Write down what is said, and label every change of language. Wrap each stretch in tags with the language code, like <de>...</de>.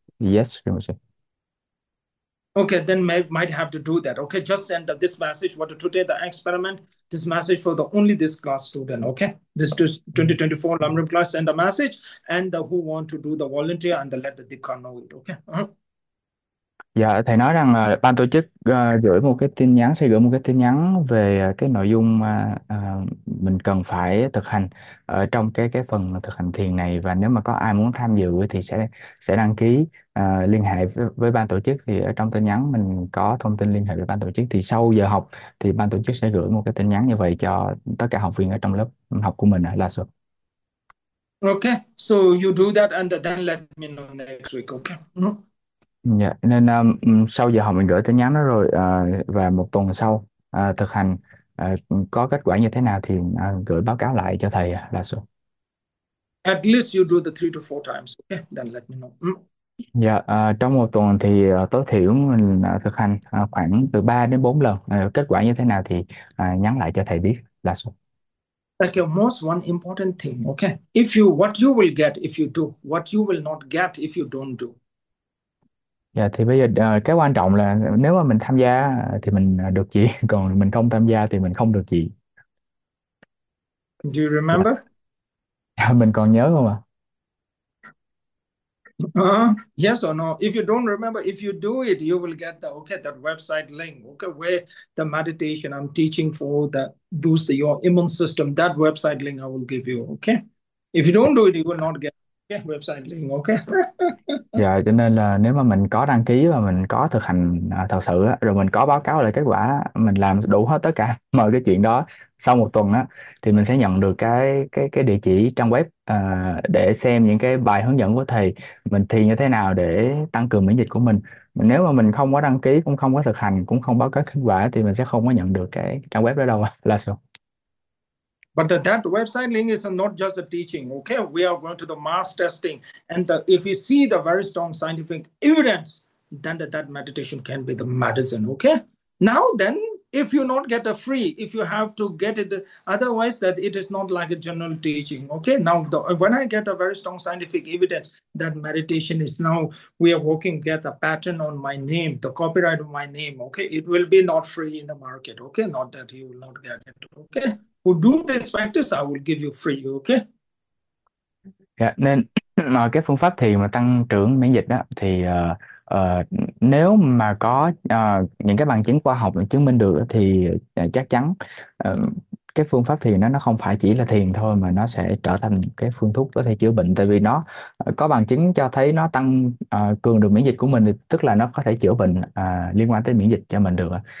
<en>Yes, Ranger. Okay, then might have to do that. Okay, just send this message. What today the experiment? This message for the only this class student. Okay, this 2024 Lamrim class. Send a message and who want to do the volunteer and let the Deepak know it. Okay.</en> <vi>Dạ, thầy nói rằng là ban tổ chức gửi một cái tin nhắn, sẽ gửi một cái tin nhắn về cái nội dung mình cần phải thực hành ở trong cái phần thực hành thiền này, và nếu mà có ai muốn tham dự thì sẽ đăng ký liên hệ với ban tổ chức. Thì ở trong tin nhắn mình có thông tin liên hệ với ban tổ chức, thì sau giờ học thì ban tổ chức sẽ gửi một cái tin nhắn như vậy cho tất cả học viên ở trong lớp học của mình ở La Sơn.</vi> <en>Okay, so you do that and then let me know next week, okay?</en> <vi>Dạ, nên sau giờ học mình gửi tin nhắn đó rồi, và một tuần sau thực hành có kết quả như thế nào thì gửi báo cáo lại cho thầy là số.</vi> <en>At least you do the 3 to 4 times, okay? Then let me know.</en> <vi>Dạ, trong một tuần thì tối thiểu mình thực hành khoảng từ 3 đến 4 lần, kết quả như thế nào thì nhắn lại cho thầy biết là số.</vi> <en>Okay, most one important thing. Okay, if you what you will get if you do, what you will not get if you don't do.</en> <vi>Dạ, thì bây giờ cái quan trọng là nếu mà mình tham gia thì mình được gì, còn mình không tham gia thì mình không được gì.</vi> <en>Do you</en> <vi>Dạ, mình còn nhớ không ạ?</vi> <en>remember? Yes or no? If you don't remember, if you do it, you will get the okay that website link. Okay, where the meditation I'm teaching for the boost your immune system. That website link I will give you. Okay, if you don't do it, you will not get okay, website link. Okay.</en> <vi>Dạ, cho nên là nếu mà mình có đăng ký và mình có thực hành thật sự á, rồi mình có báo cáo lại kết quả, mình làm đủ hết tất cả mọi cái chuyện đó sau một tuần á, thì mình sẽ nhận được cái địa chỉ trang web để xem những cái bài hướng dẫn của thầy mình thiền như thế nào để tăng cường miễn dịch của mình. Nếu mà mình không có đăng ký, cũng không có thực hành, cũng không báo cáo kết quả thì mình sẽ không có nhận được cái trang web đó đâu là sao.</vi> <en>But that website link is not just a teaching, okay? We are going to the mass testing. And if we see the very strong scientific evidence, then that meditation can be the medicine, okay? Now then, if you not get a free, if you have to get it, otherwise that it is not like a general teaching, okay? Now, when I get a very strong scientific evidence that meditation is now, we are working, get a patent on my name, the copyright of my name, okay? It will be not free in the market, okay? Not that you will not get it, okay? Who do this practice, I will give you free, okay?</en> <vi>Yeah, nên mà cái phương pháp thiền mà tăng trưởng miễn dịch đó thì nếu mà có những cái bằng chứng khoa học chứng minh được thì chắc chắn cái phương pháp thiền nó không phải chỉ là thiền thôi, mà nó sẽ trở thành cái phương thuốc có thể chữa bệnh, tại vì nó có bằng chứng cho thấy nó tăng cường được miễn dịch của mình, tức là nó có thể chữa bệnh liên quan tới miễn dịch cho mình được.</vi>